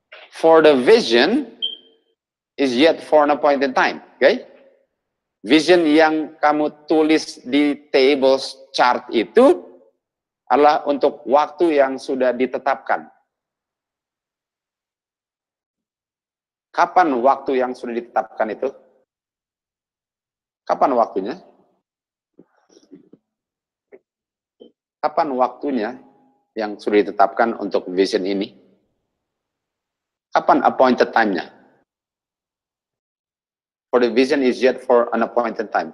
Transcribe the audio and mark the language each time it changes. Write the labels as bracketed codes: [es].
[en] For the vision is yet for an appointed time. Okay? [id] Vision yang kamu tulis di tables chart itu adalah untuk waktu yang sudah ditetapkan. Kapan waktu yang sudah ditetapkan itu? Kapan waktunya? Kapan waktunya yang sudah ditetapkan untuk vision ini? Kapan [en] appointed time- [id] nya? [en] For the vision is yet for an appointed time.